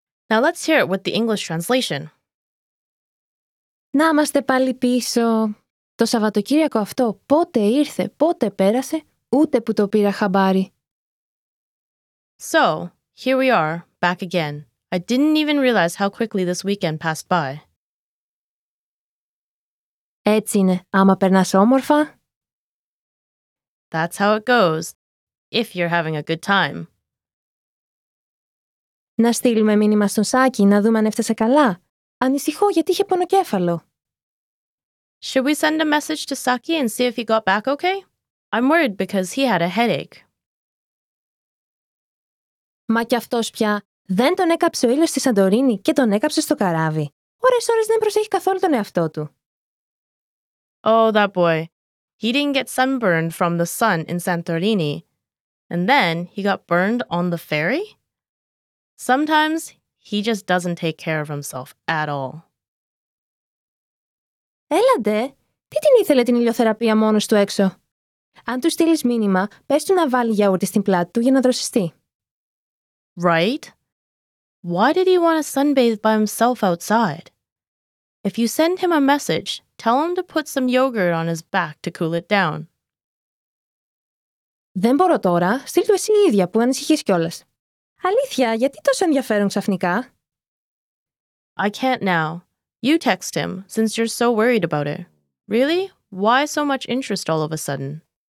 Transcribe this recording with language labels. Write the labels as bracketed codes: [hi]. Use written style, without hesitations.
[en] Now let's hear it with the English translation. [el] Να είμαστε πάλι πίσω. Το Σαββατοκύριακο αυτό πότε ήρθε, πότε πέρασε, ούτε που το πήρα χαμπάρι. [en] So, here we are, back again. I didn't even realize how quickly this weekend passed by. [el] Έτσι είναι, άμα περνάς όμορφα. [en] That's how it goes, if you're having a good time. [el] Να στείλουμε μήνυμα στον Σάκη, να δούμε αν έφτασε καλά. Ανησυχώ γιατί είχε πονοκέφαλο. [en] Should we send a message to Saki and see if he got back okay? I'm worried because he had a headache. [el] Μα κι αυτός πια. Δεν τον έκαψε ο ήλιος στη Σαντορίνη και τον έκαψε στο καράβι. Ώρες-ώρες δεν προσέχει καθόλου τον εαυτό του. [en] Oh, that boy. He didn't get sunburned from the sun in Santorini. And then he got burned on the ferry? Sometimes he just doesn't take care of himself at all. [el] Έλαντε, τι την ήθελε την ηλιοθεραπεία μόνος του έξω. Αν του στείλεις μήνυμα, πες του να βάλει γιαούρτι στην πλάτη του για να δροσιστεί. [en] Right? Why did he want to sunbathe by himself outside? If you send him a message, tell him to put some yogurt on his back to cool it down. [el] Δεν μπορώ τώρα, στείλ του εσύ ίδια που ανησυχείς κιόλας. Αλήθεια, γιατί τόσο ενδιαφέρον ξαφνικά. [en] I can't now. You text him, since you're so worried about it. Really? Why so much interest all of a sudden?